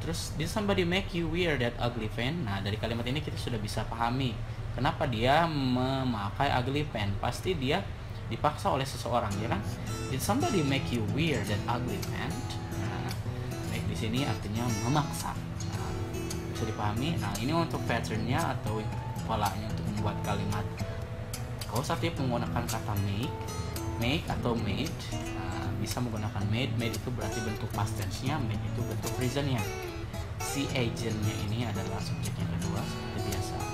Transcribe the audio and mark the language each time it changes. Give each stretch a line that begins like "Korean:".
English: Terus, did somebody make you wear that ugly pants?
Indonesian: Nah, dari kalimat ini kita sudah bisa pahami kenapa dia memakai ugly pants. Pasti dia dipaksa oleh seseorang, ya kan?
English: Did somebody make you wear that ugly pants?
Indonesian: Nah, di sini artinya memaksa. Nah, bisa dipahami? Nah, ini untuk pattern-nya atau polanya untuk membuat kalimat. Kalau saatnya menggunakan kata make, make atau made, bisa menggunakan made. Made itu berarti bentuk past tense-nya, made itu bentuk present-nya. Si agent-nya ini adalah subjek yang kedua, seperti biasa.